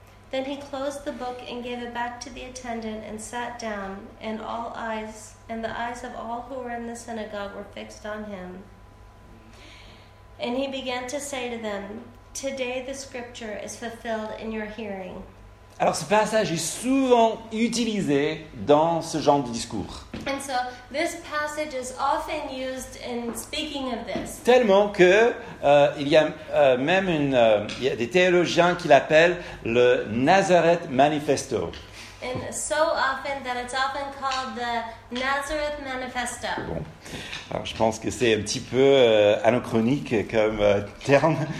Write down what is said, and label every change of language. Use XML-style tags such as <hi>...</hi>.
<en>Then he closed the book and gave it back to the attendant and sat down, and all eyes, and the eyes of all who were in the synagogue were fixed on him. And he began to say to them, "Today the scripture is fulfilled in your hearing."</en> <fr>Alors ce passage est souvent utilisé dans ce genre de discours.</fr> <en>And so, this passage is often used in speaking of this.</en> <fr>Tellement que il y a des théologiens qui l'appellent le Nazareth Manifesto.</fr> <en>And so often that it's often called the Nazareth Manifesto.</en> <fr>Bon. Alors, je pense que c'est un petit peu anachronique comme terme.</fr>